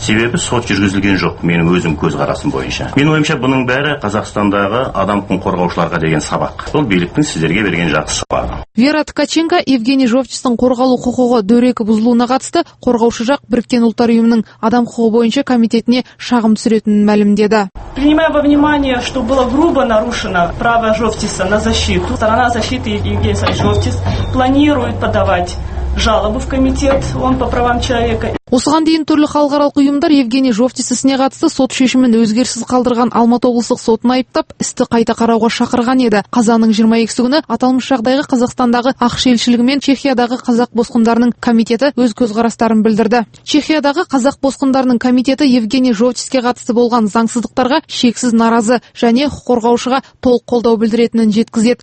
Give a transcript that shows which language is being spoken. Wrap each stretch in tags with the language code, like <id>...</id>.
<kk>Себебі сот жүргізілген жоқ менің өзім көзқарасым бойынша. Мен ойымша бұның бәрі Қазақстандағы адам құқығын қорғаушыларға деген сабақ. Бұл биліктің сіздерге берген жақсы сабағы. Вера Ткаченко Евгений Жовтистің қорғалу құқығы дөрекі бұзылуына қатысты қорғаушы жақ Біріккен ұлттар ұйымының адам құқығы бойынша комитетіне шағым түсіретінін мәлімдеді.</kk> <ru>Принимая во внимание, что было грубо нарушено право Жовтиса на защиту, сторона защиты Евгений Жовтис планирует подавать жалобу в комитет ООН по правам человека.</ru> <kk>Осыған дейін түрлі халықаралық ұйымдар Евгений Жовтис ісіне қатысты сот шешімін өзгерсіз қалдырған Алматы облыстық сотын айыптап, істі қайта қарауға шақырған еді. Қазанның 22-сі күні аталмыш жағдайға Қазақстандағы ақш елшілігі мен Чехиядағы қазақ босқындарының комитеті өз көзқарастарын білдірді. Чехиядағы қазақ босқындарының комитеті Евгений Жовтиске қатысты болған заңсыздықтарға шексіз наразы және құқық қорғаушыға толық қолдау білдіретінін жеткізді.</kk>